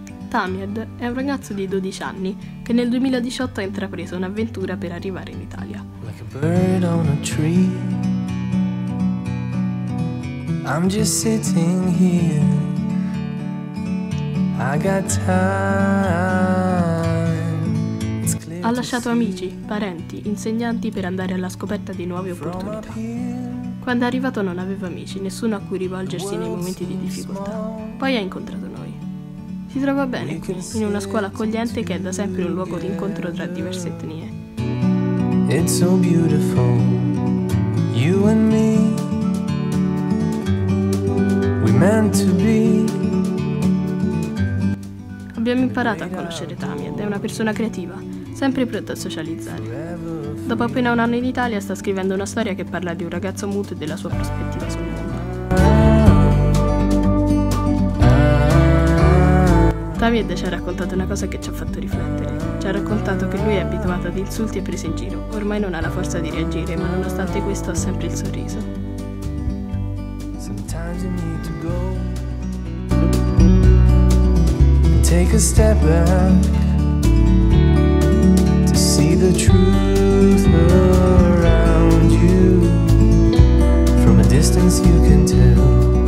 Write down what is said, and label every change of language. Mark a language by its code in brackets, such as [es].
[it] Samed è un ragazzo di 12 anni che nel 2018 ha intrapreso un'avventura per arrivare in Italia. [en] Like a bird on a tree, I'm just sitting here, I got time. [it] Ha lasciato amici, parenti, insegnanti per andare alla scoperta di nuove opportunità. Quando è arrivato non aveva amici, nessuno a cui rivolgersi nei momenti di difficoltà. Poi ha incontrato noi. Si trova bene qui, in una scuola accogliente che è da sempre un luogo di incontro tra diverse etnie. [en] It's so beautiful, you and me, we meant to be. [it] Abbiamo imparato a conoscere Tamiad, è una persona creativa, sempre pronta a socializzare. Dopo appena un anno in Italia sta scrivendo una storia che parla di un ragazzo muto e della sua prospettiva sul mondo. Tamiad ci ha raccontato una cosa che ci ha fatto riflettere. Ci ha raccontato che lui è abituato ad insulti e prese in giro. Ormai non ha la forza di reagire, ma nonostante questo ha sempre il sorriso. [en] Sometimes you need to go and take a step back to see the truth around you. From a distance you can tell.